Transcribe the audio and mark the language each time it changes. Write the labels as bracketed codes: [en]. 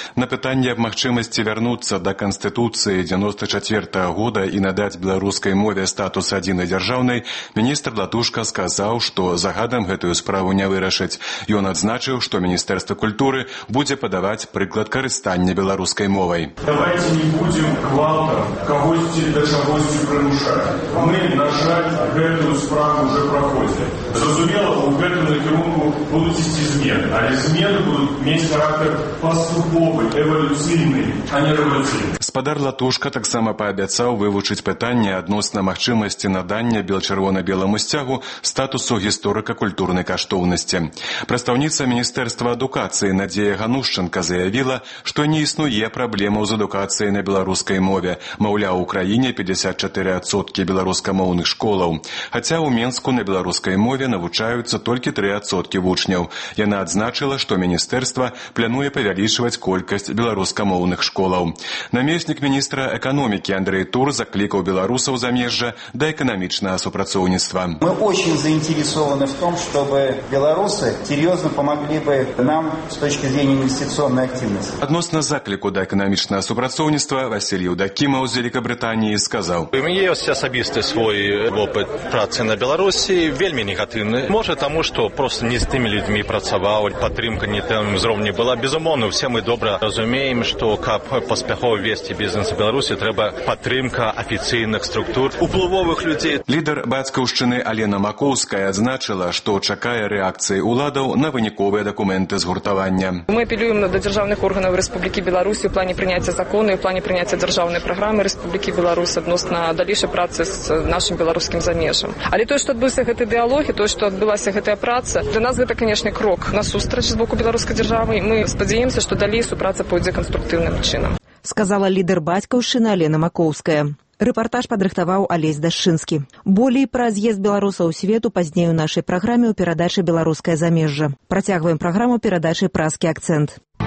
[be] На пытанне аб магчымасці вярнуцца да канстытуцыі 94 года і надаць беларускай мове статус адзінай дзяржаўнай, міністр Латушка сказаў, што загадам гэтую справу не вырашыць. Ён адзначыў, што міністэрства культуры будзе падаваць прыклад карыстання беларускай мовай. [ru] Давайте не будем гвалтом когось-то до чего-то примушать. Мы, на жаль, эту справу уже проходим. Зрозумело, у этого накерунку будут идти змены. А змены будут иметь характер поступовый, эволюционный, а не революционный. [be] Спадар Латушка таксама паабяцаў вывучыць пытанне адносна магчымасці надання бел-чырвона-белому сцягу статусу гісторыка-культурнай каштоўнасці. Прадстаўніца Міністэрства адукацыі Надзея Ганушчанка заявіла, што не існуе праблемаў з адукацыяй на беларускай мове, маўляў, у краіне 54% беларускамоўных школаў. Хаця ў Менску на беларускай мове навучаюцца толькі 3% вучняў. Яна адзначыла, што міністэрства плануе павялічваць колькасць беларускамоўных школаў. Намеснік міністра эканомікі Андрэй Тур заклікаў беларусаў замежжа да эканамічнага супрацоўніцтва. [ru] Мы очень заинтересованы в том, чтобы беларусы серьезно помогли бы нам с точки зрения инвестиционной активности. [be] Адносна закліку да эканамічнага супрацоўніцтва Васіль Юдакімаў з Вялікабрытаніі сказаў: «У мяне ёсць асабісты свой опыт працы на Беларусі, вельмі негатыўны. Можа, таму, што просто не з тымі людзьмі працаваў, падтрымка не тым узроўні была. Безумоўна, усе мы добра разумеем, што каб паспяхова весці бізнес у Беларусі, трэба падтрымка афіцыйных структур, уплывовых людзей». Лідар бацькаўшчыны Алена Макоўская адзначыла, што чакае рэакцыі ўладаў на выніковыя дакументы згуртавання. [ru] «Мы апелюем да дзяржаўных органов Республики Беларусь в плане принятия закона и в плане принятия державной программы Республики Беларусь относно дальнейшей працы с нашим белорусским замежем. Але то, что отбылся этой диалоги, то, что отбылась эта праца, для нас это, конечно, [be] крок на сустрэч [ru] с боку белорусской державы. Мы надеемся, что далее супраца пойдет конструктивным чином», сказала лидер [be] бацькаўшчыны Алена Макоўская. Рэпартаж падрыхтаваў Алесь Дашчынскі. Болей пра з'езд беларусаў у свету пазней у нашай праграме ў перадачы «Беларускае замежжа». Працягваем праграму перадачы «Праскі акцэнт».